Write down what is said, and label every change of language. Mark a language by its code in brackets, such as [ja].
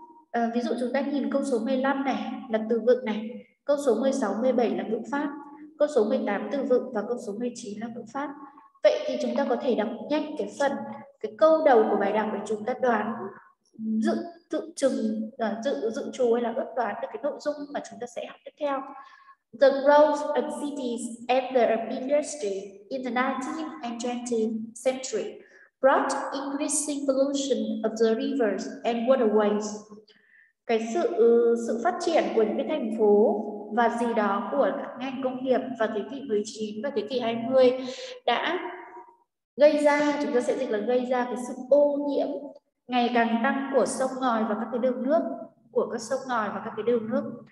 [vi] À, ví dụ chúng ta nhìn câu số 15 này là từ vựng này, câu số 16, 17 là ngữ pháp, câu số 18 từ vựng và câu số 19 là ngữ pháp. Vậy thì chúng ta có thể đọc nhanh cái phần, cái câu đầu của bài đọc để chúng ta đoán dự dự trừng dự dự trù hay là ước đoán được cái nội dung mà chúng ta sẽ học tiếp theo. [en] The growth of cities and their industry in the 19th and 20th century brought increasing pollution of the rivers and waterways. [vi] Cái sự phát triển của những cái thành phố và gì đó của ngành công nghiệp vào thế kỷ 19 và thế kỷ 20 đã gây ra, chúng ta sẽ dịch là gây ra cái sự ô nhiễm ngày càng tăng của sông ngòi và các cái đường nước, của các sông ngòi và các cái đường nước.